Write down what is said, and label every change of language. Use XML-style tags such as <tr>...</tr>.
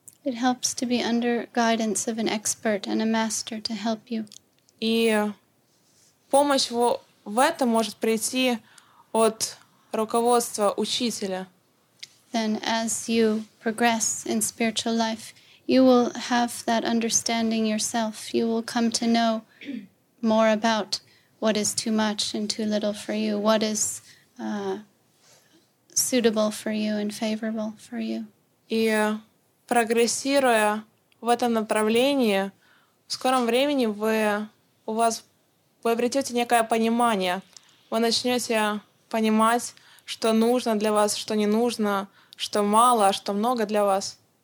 <en>It helps to be under guidance of an expert and a master to help you.</en> <ru>И помощь в этом может прийти от руководства учителя.</ru> <en>Then as you progress in spiritual life, you will have that understanding yourself. You will come to know more about what is too much and too little for you, what is suitable for you and favorable for you.</en> <ru>И прогрессируя в этом направлении, в скором времени вы обретете некое понимание. Вы начнете понимать, что нужно для вас, что не нужно, что мало, а что много для вас.</ru>